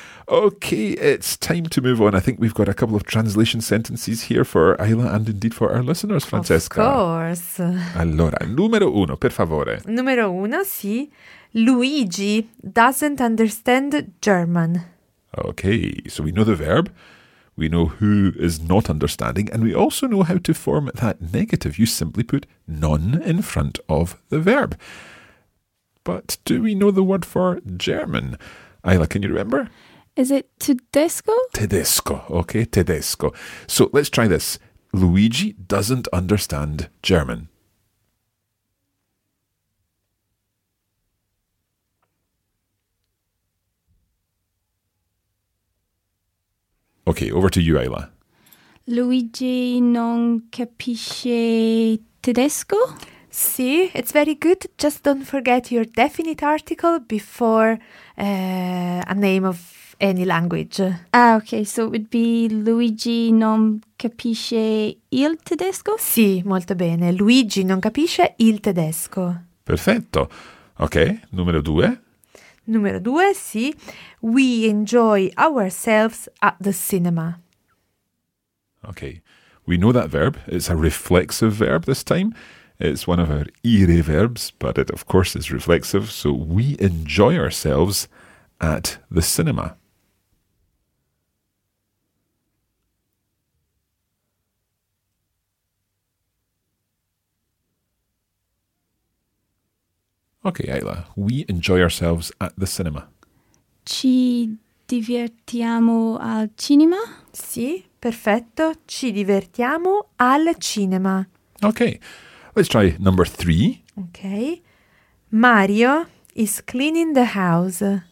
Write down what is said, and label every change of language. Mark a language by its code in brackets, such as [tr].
[en] Ok, it's time to move on. I think we've got a couple of translation sentences here for Ayla and indeed for our listeners, Francesca. Of course. [it] Allora, numero uno, per favore. Numero uno, sì. [en] Luigi doesn't understand German. Ok, so we know the verb. We know who is not understanding, and we also know how to form that negative. You simply put non in front of the verb. But do we know the word for German? Ayla, can you remember? Is it tedesco? Tedesco. Okay, tedesco. So let's try this. Luigi doesn't understand German. Okay, over to you, Ayla. [it] Luigi non capisce tedesco? [en] Sì, it's very good. Just don't forget your definite article before a name of any language. Ah, okay, so it would be [it] Luigi non capisce il tedesco? Sì, molto bene. Luigi non capisce il tedesco. Perfetto. Ok, numero due. Numero due, sì. [en] We enjoy ourselves at the cinema. Ok, we know that verb. It's a reflexive verb this time. It's one of our ire verbs, but it of course is reflexive. So we enjoy ourselves at the cinema. Okay, Ayla, we enjoy ourselves at the cinema. [it] Ci divertiamo al cinema? Sì, perfetto. Ci divertiamo al cinema. [en] Okay, let's try number three. Okay. Mario is cleaning the house.